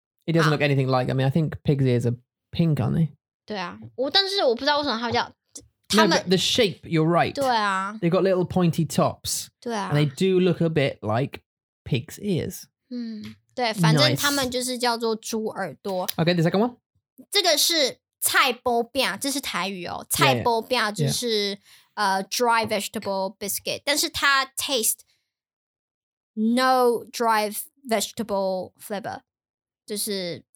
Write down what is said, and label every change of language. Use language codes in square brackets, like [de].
[en] It doesn't look anything like I mean, I think pig's ears arePink, aren't they? [zh] 对啊，我但是我不知道为什么他们叫他 [en] 们 no, the shape. You're right. [zh] 对啊 [en] they got little pointy tops. [zh] 对啊 [en] and they do look a bit like pig's ears. [zh] 对，反正他们就是叫做猪耳朵。 [en] Okay, the second one. [zh] 这个是菜包饼，这是台语哦。菜包饼就是 [en] dry vegetable biscuit， [zh] 但是它 [en] taste no dry vegetable flavor， [zh] 就是。